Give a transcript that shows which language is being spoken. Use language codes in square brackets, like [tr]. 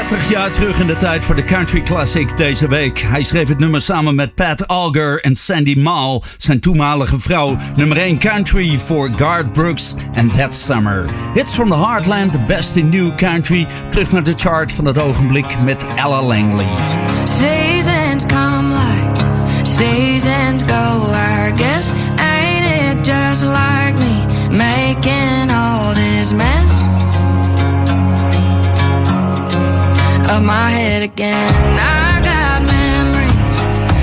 [nl] Jaar terug in de tijd voor de Country Classic deze week. Hij schreef het nummer samen met Pat Auger en Sandy Mahl, zijn toenmalige vrouw. Nummer 1 country voor Garth Brooks en That Summer. [en] Hits from the Heartland, the best in new country. [nl] Terug naar de chart van het ogenblik met Ella Langley. [en] Seasons come like, seasons go, I guess. Ain't it just like me making all this mess of my head again. I got memories